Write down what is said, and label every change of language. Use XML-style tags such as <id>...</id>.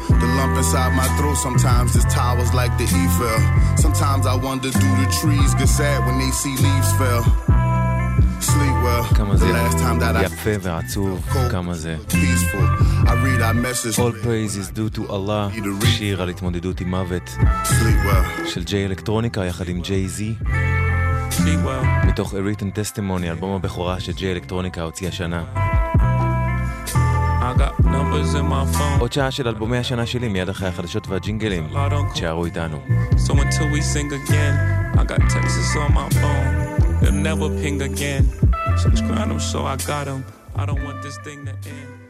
<en>The lump inside my throat sometimes just towers like the Eiffel. Sometimes I wonder do the trees get sad when they see leaves fell. Sleep well. The last time that I felt cold, peaceful. I read our message. All praise is due to Allah.</en> <he>שיר על התמודדות עם מוות.</he> <en>Sleep well.</en> <he>של ג'יי אלקטרוניקה יחד עם ג'יי זי. מתוך A Written Testimony, אלבום הבכורה שג'יי אלקטרוניקה הוציא השנה. עוד שעה של אלבומי השנה שלי מיד אחרי החדשות והג'ינגלים. תשארו איתנו.</he> <en>So until we sing again, I got Texas on my phone. They'll never ping again. Subscribe them so I got them. I don't want this thing to end.</en>